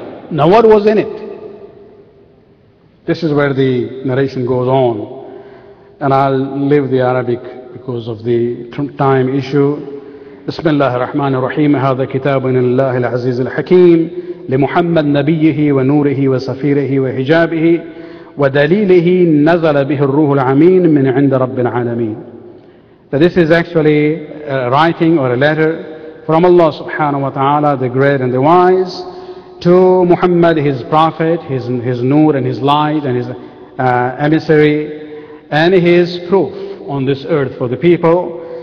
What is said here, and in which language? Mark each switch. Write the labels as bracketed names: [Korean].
[English] Now what was in it? This is where the narration goes on. And I'll leave the Arabic because of the time issue. [Arabic] بسم الله الرحمن الرحيم هذا كتاب من الله العزيز الحكيم لمحمد نبيه ونوره وسفيره وحجابه ودليله نزل به الروح العمين من عند رب العالمين. [English] So this is actually a writing or a letter from Allah subhanahu wa ta'ala, the great and the wise, to Muhammad, his prophet, his nur and his light and his emissary and his proof on this earth for the people.